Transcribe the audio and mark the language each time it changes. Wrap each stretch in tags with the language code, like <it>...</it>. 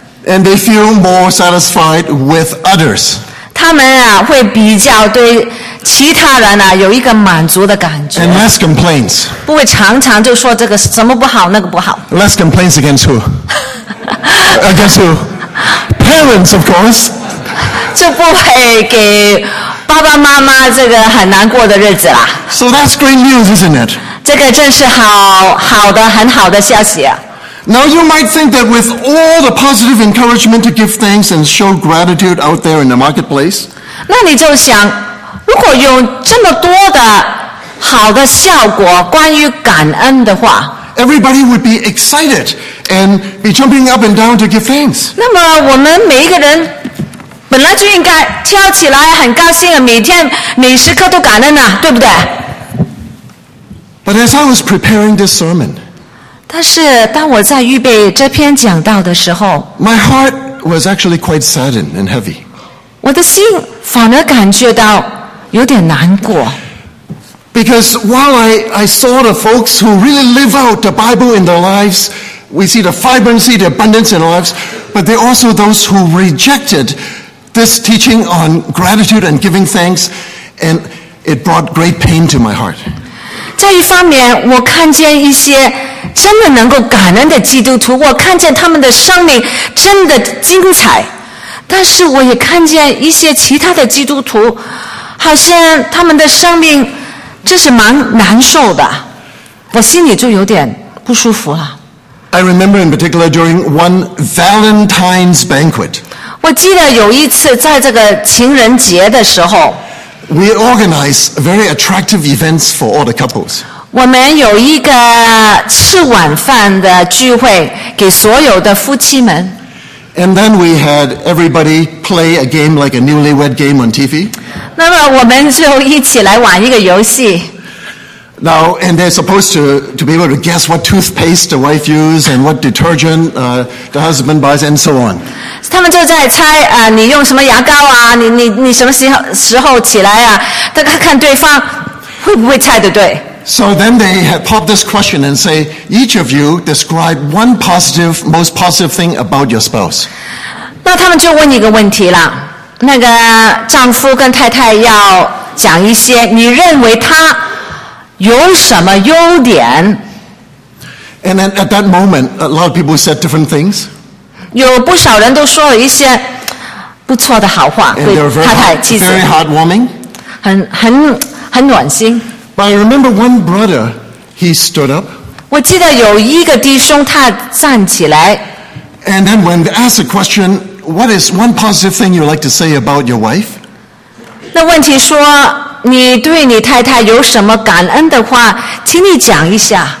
<en>And they feel more satisfied with others.</en> <zh>他们啊会比较对其他人啊有一个满足的感觉。</zh> <en>And less complaints.</en> <zh>不会常常就说这个什么不好那个不好。</zh> <en>Less complaints against who? against who? Parents, of course.</en> <zh>就不会给爸爸妈妈这个很难过的日子啦。</zh> <en>So that's great news, isn't it?</en> <zh>这个真是好的很好的消息啊。</zh> <en>Now you might think that with all the positive encouragement to give thanks and show gratitude out there in the marketplace,</en> <zh>那你就想，如果有这么多的好的效果关于感恩的话，</zh> <en>everybody would be excited and be jumping up and down to give thanks.</en> <zh>那么我们每一个人本来就应该跳起来很高兴啊，每天每时刻都感恩啊，对不对？</zh> <en>But as I was preparing this sermon.</en> <zh>但是当我在预备这篇讲道的时候</zh> <en>My heart was actually quite saddened and heavy.</en> <zh>我的心反而感觉到有点难过。</zh> <en>Because while I saw the folks who really live out the Bible in their lives, we see the vibrancy, the abundance in their lives, but they're also those who rejected this teaching on gratitude and giving thanks, and it brought great pain to my heart.</en> <zh>在一方面，我看见一些真的能够感恩的基督徒，我看见他们的生命真的精彩，但是我也看见一些其他的基督徒，好像他们的生命真是蛮难受的，我心里就有点不舒服了。</zh> <en>I remember in particular during one Valentine's banquet.</en> <zh>我记得有一次在这个情人节的时候</zh> <en>，We organize very attractive events for all the couples.</en> <zh>我们有一个吃晚饭的聚会给所有的夫妻们。</zh> <en>And then we had everybody play a game like a newlywed game on TV.</en> <zh>那么我们就一起来玩一个游戏。</zh> <en>Now, and they're supposed to be able to guess what toothpaste the wife uses and what detergent, the husband buys and so on.</en> <zh>他们就在猜啊、你用什么牙膏啊你什么时候起来啊大家看对方会不会猜得对。</zh> <en>So then they had popped this question and say, each of you describe one positive, most positive thing about your spouse.</en> <zh>那他们就问一个问题了，那个丈夫跟太太要讲一些你认为他有什么优点。</zh> <en>And then at that moment, a lot of people said different things.</en> <zh>有不少人都说了一些不错的好话，对太太、妻子。</zh> <en>Very heartwarming.</en> <zh>很暖心。</zh> <en>But I remember one brother, he stood up.</en> <zh>我记得有一个弟兄他站起来。</zh> <en>And then when asked a question, what is one positive thing you'd like to say about your wife?</en> <zh>那问题说你对你太太有什么感恩的话请你讲一下。</zh>